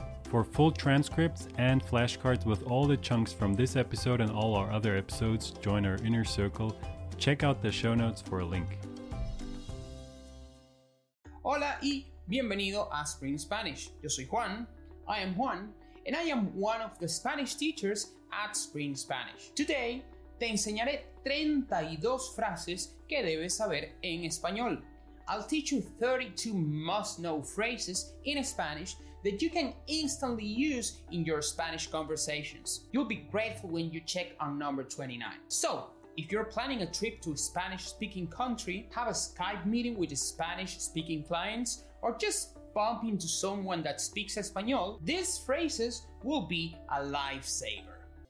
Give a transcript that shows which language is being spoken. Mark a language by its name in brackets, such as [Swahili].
[English] For full transcripts and flashcards with all the chunks from this episode and all our other episodes, join our inner circle. Check out the show notes for a link. [Spanish] Hola y bienvenido a Spring Spanish. Yo soy Juan. [English] I am Juan. And I am one of the Spanish teachers at Spring Spanish. Today, [Spanish] te enseñaré 32 frases que debes saber en español. [English] I'll teach you 32 must-know phrases in Spanish that you can instantly use in your Spanish conversations. You'll be grateful when you check on number 29. So, if you're planning a trip to a Spanish-speaking country, have a Skype meeting with Spanish-speaking clients, or just bump into someone that speaks Espanol, these phrases will be a lifesaver.